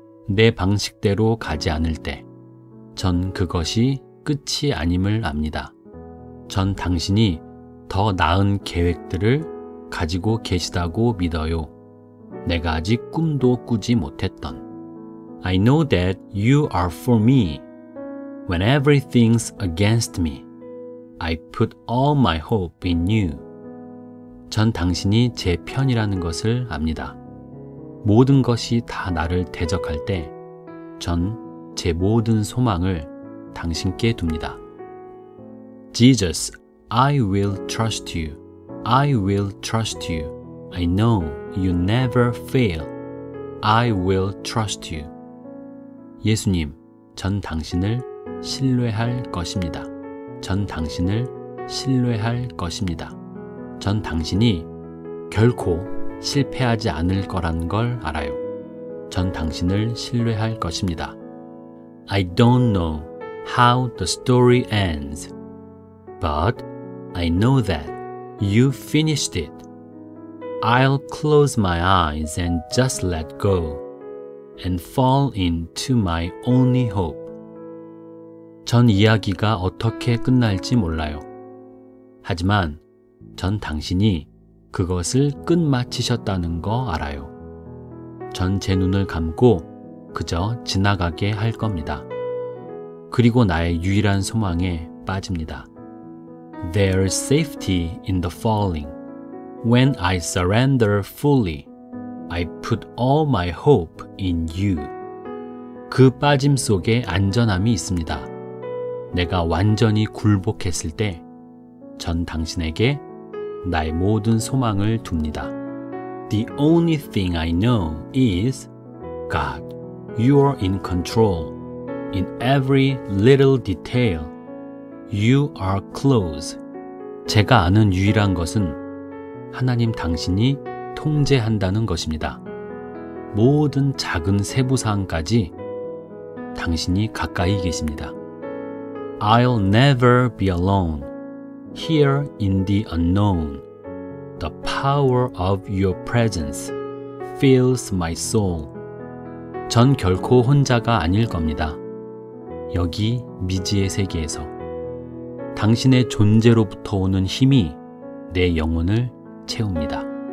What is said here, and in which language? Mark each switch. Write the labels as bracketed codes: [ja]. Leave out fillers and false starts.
[ko] 내 방식대로 가지 않을 때, 전 그것이 끝이 아님을 압니다. 전 당신이 더 나은 계획들을 가지고 계시다고 믿어요. 내가 아직 꿈도 꾸지 못했던. [en] I know that you are for me. When everything's against me, I put all my hope in you. [ko] 전 당신이 제 편이라는 것을 압니다. 모든 것이 다 나를 대적할 때, 전 제 모든 소망을 당신께 둡니다. [en] Jesus, I will trust you. I will trust you. I know you never fail. I will trust you. [ko] 예수님, 전 당신을 신뢰할 것입니다. 전 당신을 신뢰할 것입니다. 전 당신이 결코 실패하지 않을 거란 걸 알아요. 전 당신을 신뢰할 것입니다. [en] I don't know how the story ends, but I know that you finished it. I'll close my eyes and just let go and fall into my only hope. [ko] 전 이야기가 어떻게 끝날지 몰라요. 하지만 전 당신이 그것을 끝마치셨다는 거 알아요. 전 제 눈을 감고 그저 지나가게 할 겁니다. 그리고 나의 유일한 소망에 빠집니다. [en] There's safety in the falling. When I surrender fully, I put all my hope in you. [ko] 그 빠짐 속에 안전함이 있습니다. 내가 완전히 굴복했을 때, 전 당신에게 나의 모든 소망을 둡니다. [en] The only thing I know is, God, you are in control. In every little detail, you are close. [ko] 제가 아는 유일한 것은 하나님 당신이 통제한다는 것입니다. 모든 작은 세부사항까지 당신이 가까이 계십니다. [en] I'll never be alone. Here in the unknown, the power of your presence fills my soul. [ko] 전 결코 혼자가 아닐 겁니다. 여기 미지의 세계에서 당신의 존재로부터 오는 힘이 내 영혼을 채웁니다.